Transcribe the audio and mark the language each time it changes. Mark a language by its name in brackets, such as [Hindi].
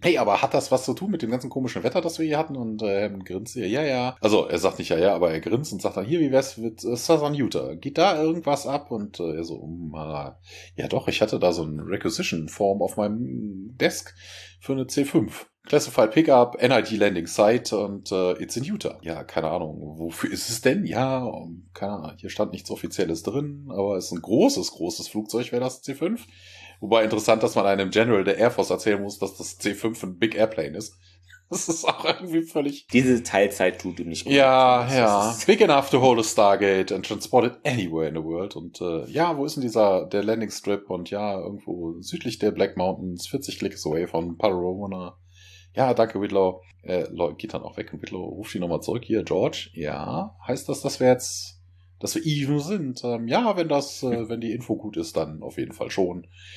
[German] Hey, aber hat das was zu tun mit dem ganzen komischen Wetter, das wir hier hatten? Und Hemd grinst hier, ja, ja. Also, er sagt nicht ja, ja, aber er grinst und sagt dann, hier, wie wär's mit Southern Utah? Geht da irgendwas ab? Und er so, ja doch, ich hatte da so ein Requisition-Form auf meinem Desk für eine C5. [English] Classified Pickup, NID Landing Site [German] und [English] it's in Utah. [German] Ja, keine Ahnung, wofür ist es denn? Ja, keine Ahnung, hier stand nichts Offizielles drin, aber es ist ein großes, großes Flugzeug, wäre das C5. Wobei interessant, dass man einem General der Air Force erzählen muss, dass das C5 ein Big Airplane ist. Das ist auch irgendwie völlig... Diese Teilzeit tut ihm nicht gut. Ja, ja. [English] Big enough to hold a Stargate and transport it anywhere in the world. [German] Und ja, wo ist denn der Landing Strip? Und ja, irgendwo südlich der Black Mountains, 40 Klicks away von Paramona. Ja, danke, Whitlow. Geht dann auch weg und Whitlow ruft ihn nochmal zurück. Hier, George. Ja, heißt das, dass wir even sind? Ja, wenn die Info gut ist, dann auf jeden Fall schon.